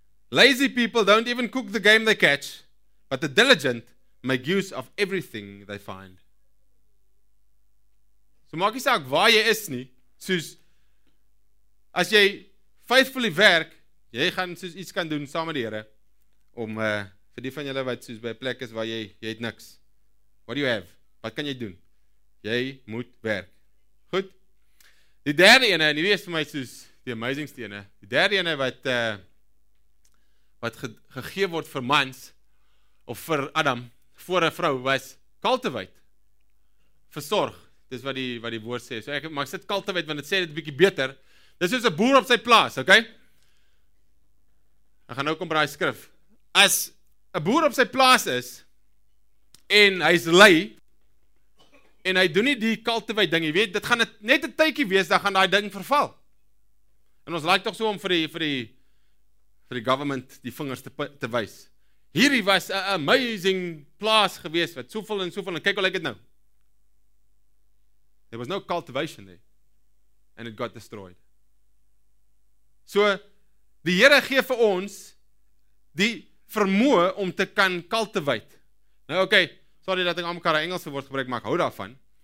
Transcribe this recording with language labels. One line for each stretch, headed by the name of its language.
English: Lazy people don't even cook the game they catch, but the diligent make use of everything they find.
Afrikaans: So maak nie saak waar jy is nie, soos as jy faithfully werk, jy gaan soos iets kan doen saam met die Here. Om vir die van julle wat soos by 'n plek is waar jy het niks.
English: What do you have?
Afrikaans: Wat kan jy doen? Jy moet werk. Goed. Die derde ene, en hierdie is vir my soos die amazingste ene. Die derde ene wat gegee word vir mans of vir Adam voor 'n vrou was cultivate. Versorg. Dis wat die woord sê. So ek maar sit cultivate want dit sê dit 'n bietjie beter. Dis soos 'n boer op sy plaas, okay? Ek gaan nou kom braai skrif. As 'n boer op sy plaas is en hy's lei en hy doen nie die cultivate ding, jy weet, dit gaan net 'n tydjie wees dan gaan daai ding verval. En ons like tog so om vir die government die vingers te wys. Hierdie was 'n amazing plaas gewees wat soveel en soveel en kyk hoe lyk dit nou.
English: There was no cultivation there and it got destroyed.
Afrikaans: So die Here gee vir ons die vermoë om te kan cultivate. Nou okay, sorry dat ek almekaar Engelse woord gebruik, maar ek hou daarvan.